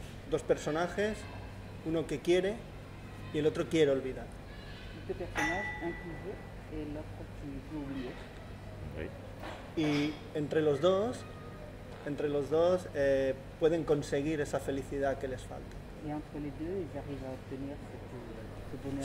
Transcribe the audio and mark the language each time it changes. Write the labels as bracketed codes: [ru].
[es] Dos personajes, uno que quiere y el otro quiere olvidar. [fr] Deux personnages, un qui veut et l'autre qui veut oublier. [es] Y entre los dos pueden conseguir esa felicidad que les falta. [fr] Et entre les deux, ils arrivent à obtenir ce bonheur